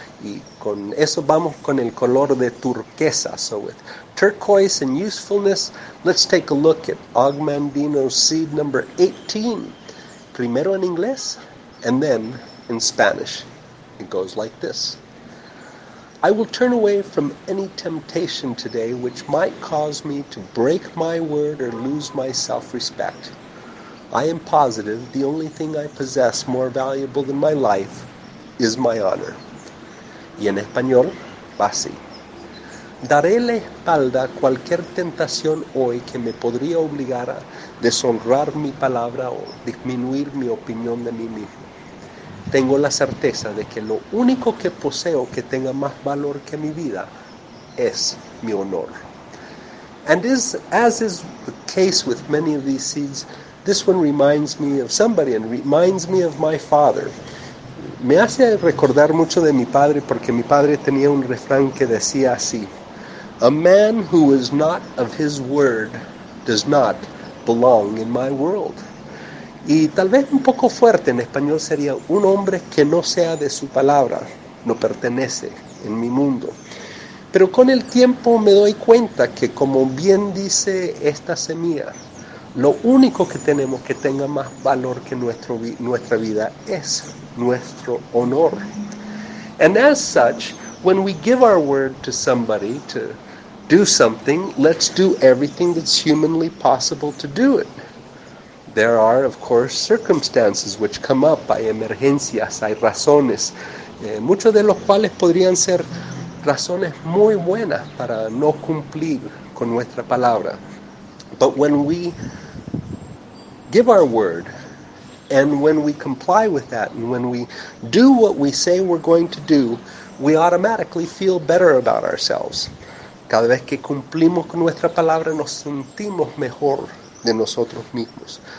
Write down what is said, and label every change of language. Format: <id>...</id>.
<es>Y con eso vamos con el color de turquesa.</es> <en>So with turquoise and usefulness, let's take a look at Ogmandino's seed number 18.</en> <es>Primero en inglés,</es> <en>and then in Spanish. It goes like this. I will turn away from any temptation today which might cause me to break my word or lose my self-respect. I am positive the only thing I possess more valuable than my life is my honor.</en> <es>Y en español, va así. Daré la espalda a cualquier tentación hoy que me podría obligar a deshonrar mi palabra o disminuir mi opinión de mí mismo. Tengo la certeza de que lo único que poseo que tenga más valor que mi vida es mi honor.</es> <en>And as is the case with many of these seeds, this one reminds me of somebody and reminds me of my father.</en> <es>Me hace recordar mucho de mi padre porque mi padre tenía un refrán que decía así:</es> <en>A man who is not of his word does not belong in my world.</en> <es>Y tal vez un poco fuerte en español sería un hombre que no sea de su palabra, no pertenece en mi mundo. Pero con el tiempo me doy cuenta que, como bien dice esta semilla, lo único que tenemos que tenga más valor que nuestra vida es nuestro honor.</es> <en>And as such, when we give our word to somebody to do something, let's do everything that's humanly possible to do it. There are, of course, circumstances which come up,</en> <es>hay emergencias, hay razones, muchos de los cuales podrían ser razones muy buenas para no cumplir con nuestra palabra.</es> <en>But when we give our word, and when we comply with that, and when we do what we say we're going to do, we automatically feel better about ourselves.</en> <es>Cada vez que cumplimos con nuestra palabra, nos sentimos mejor de nosotros mismos.</es>